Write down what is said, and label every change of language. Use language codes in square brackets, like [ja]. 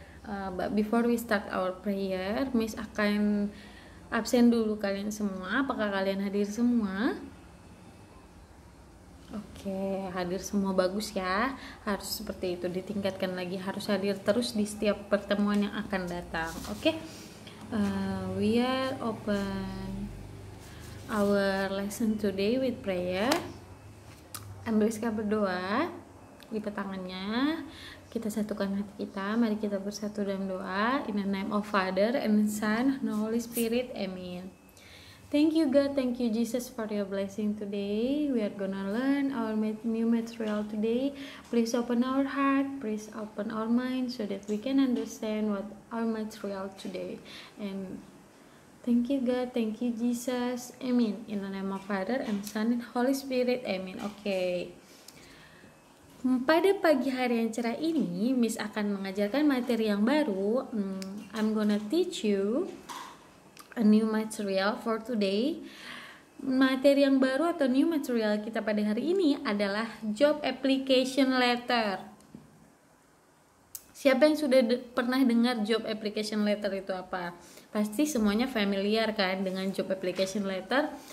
[en] But before we start our prayer, [id] Miss akan absen dulu kalian semua. Apakah kalian hadir semua? Oke, hadir semua bagus ya. Harus seperti itu, ditingkatkan lagi. Harus hadir terus di setiap pertemuan yang akan datang. [en] Oke, we are open our lesson today with prayer. [id] Ambil sikap berdoa, lipat tangannya. Kita satukan hati kita, mari kita bersatu dalam doa. [en] In the name of Father and Son and Holy Spirit, Amen. Thank you God, thank you Jesus for your blessing today. We are gonna learn our new material today. Please open our heart, please open our mind so that we can understand what our material today. And thank you God, thank you Jesus, Amen. In the name of Father and Son and Holy Spirit, Amen. Okay. [id] Pada pagi hari yang cerah ini, Miss akan mengajarkan materi yang baru. [en] I'm gonna teach you a new material for today. [id] Materi yang baru atau [en] new material [id] kita pada hari ini adalah job application letter. Siapa yang sudah pernah dengar job application letter itu apa? Pasti semuanya familiar kan dengan job application letter.